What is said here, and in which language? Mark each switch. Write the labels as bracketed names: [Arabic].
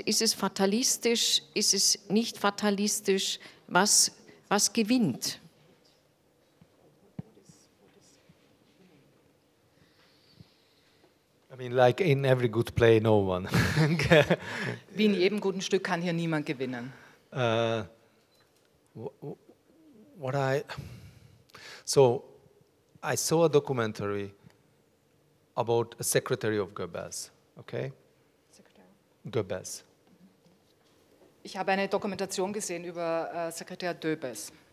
[German] Ist es fatalistisch, ist es nicht fatalistisch? Was gewinnt? [English] I mean, like in every good play, no one. [German] Wie in jedem guten Stück kann hier niemand gewinnen. [English] I saw a documentary about a secretary of Goebbels. Okay? Secretary. Goebbels. [German] Ich habe eine Dokumentation gesehen über Sekretär Döbels.